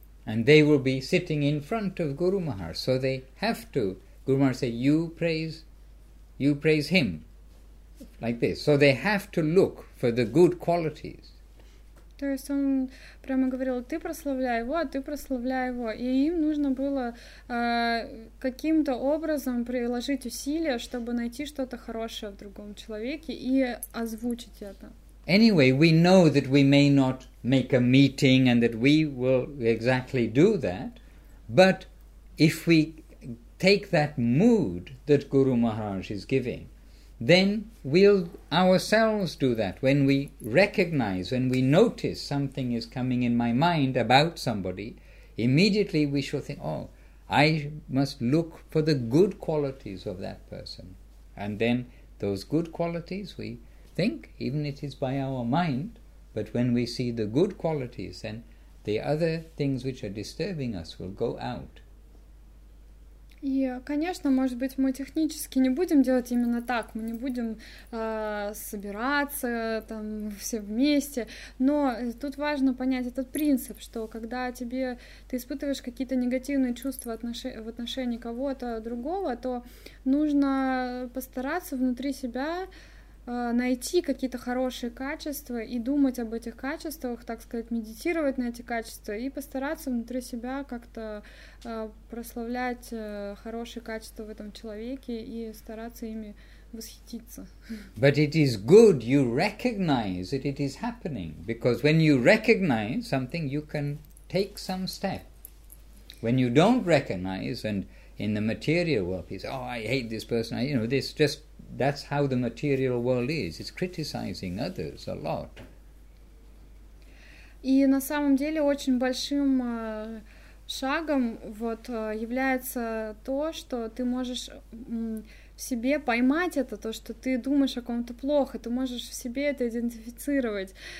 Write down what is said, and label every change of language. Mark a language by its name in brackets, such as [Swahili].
[English] And they will be sitting in front of Guru Maharaj, so they have to. Guru Maharaj say, you praise him, like this. So they have to look for the good qualities. [Russian] То есть он прямо говорил, ты прославляй его, а ты прославляй его. И им нужно было каким-то образом приложить усилия, чтобы найти что-то хорошее в другом человеке и озвучить это. [English] Anyway, we know that we may not make a meeting and that we will exactly do that. But if we take that mood that Guru Maharaj is giving, then we'll ourselves do that. When we recognize, when we notice something is coming in my mind about somebody, immediately we shall think, oh, I must look for the good qualities of that person. And then those good qualities, we think, even it is by our mind, but when we see the good qualities, then the other things which are disturbing us will go out. [Russian] И, конечно, может быть, мы технически не будем делать именно так, мы не будем собираться там все вместе, но тут важно понять этот принцип, что когда ты испытываешь какие-то негативные чувства в отношении кого-то другого, то нужно постараться внутри себя найти какие-то хорошие качества и думать об этих качествах, так сказать, медитировать на эти качества и постараться внутри себя как-то прославлять хорошие качества в этом человеке и стараться ими восхититься. [English] But it is good you recognize that it is happening, because when you recognize something, you can take some step when you don't recognize, and in the material world, people say, oh, I hate this person. I, you know, this just, that's how the material world is. It's criticizing others a lot. [Russian] И на самом деле очень большим шагом вот является то, что ты можешь в себе поймать это, то, что ты думаешь о ком-то плохо, ты можешь в себе это идентифицировать,